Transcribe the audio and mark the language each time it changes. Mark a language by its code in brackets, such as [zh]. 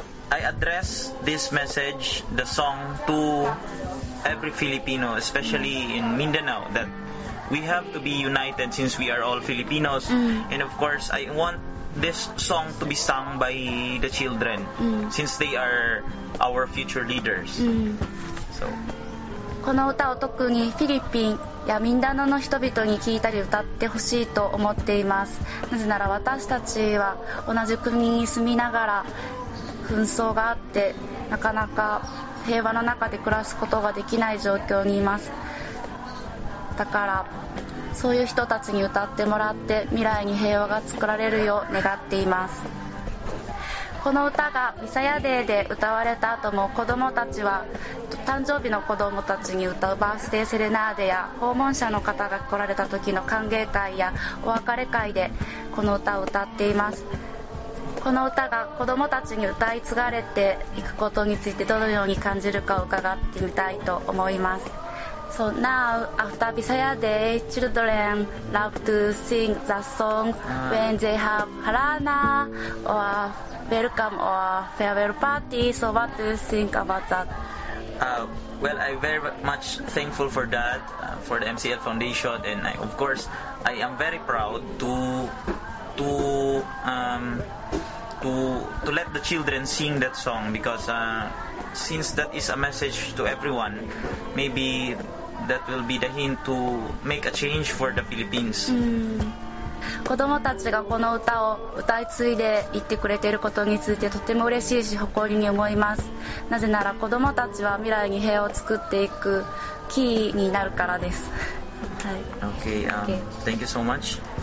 [en] I address this message, the song, to every Filipino, especially in Mindanao, that we have to be united since we are all Filipinos. And of course, I want this song to be sung by the children, since they are our future leaders. [ja] So, この歌を特にフィリピンやミンダノの人々に聞いたり歌ってほしいと思っています。なぜなら私たちは同じ国に住みながら紛争があって、なかなか平和の中で暮らすことができない状況にいます。だからそういう人たちに歌ってもらって、未来に平和が作られるよう願っています。この歌がミサヤデーで歌われた後も、子どもたちは誕生日の子どもたちに歌うバースデーセレナーデや、訪問者の方が来られた時の歓迎会やお別れ会でこの歌を歌っています。この歌が子どもたちに歌い継がれていくことについて、どのように感じるかを伺ってみたいと思います。 [en] So now, after Bisaya Day, children love to sing the song when they have Harana or welcome or farewell party. So what do you think about that? Well, I'm very much thankful for that, for the MCL Foundation, and I, of course, I am very proud to let the children sing that song, because since that is a message to everyone, maybe that will be the hint to make a change for the Philippines. [ja] 子どもたちがこの歌を歌い継いでいってくれていることについて、とても嬉しいし誇りに思います。なぜなら子どもたちは未来に平和を作っていくキーになるからです。 [en] はい。Okay, okay. Thank you so much.